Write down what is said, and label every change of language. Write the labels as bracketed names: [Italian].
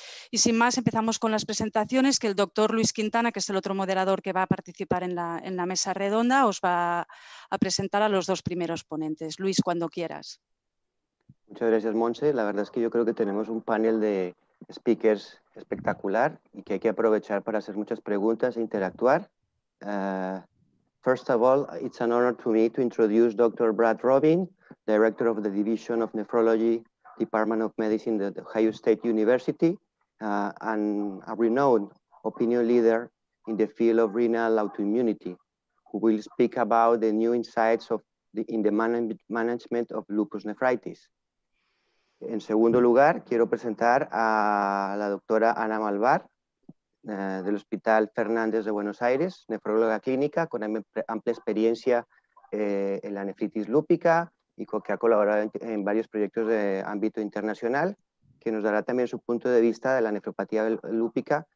[Spanish] Y sin más, empezamos con las presentaciones, que el doctor Luis Quintana, que es el otro moderador que va a participar en la mesa redonda, os va a presentar a los dos primeros ponentes. Luis, cuando quieras. Muchas gracias, Montse. La verdad es que yo creo que tenemos un panel de speakers espectacular y que hay que aprovechar para hacer muchas preguntas e interactuar. [English] First of all, it's an honor to me to introduce Dr. Brad Robin, Director of the Division of Nephrology, Department of Medicine at Ohio State University, and a renowned opinion leader in the field of renal autoimmunity, who will speak about the new insights in the management of lupus nephritis. [Spanish] En segundo lugar, quiero presentar a la doctora Ana Malvar, del Hospital Fernández de Buenos Aires, nefróloga clínica con amplia experiencia en la nefritis lúpica y que ha colaborado en varios proyectos de ámbito internacional, que nos dará también su punto de vista de la nefropatía lúpica.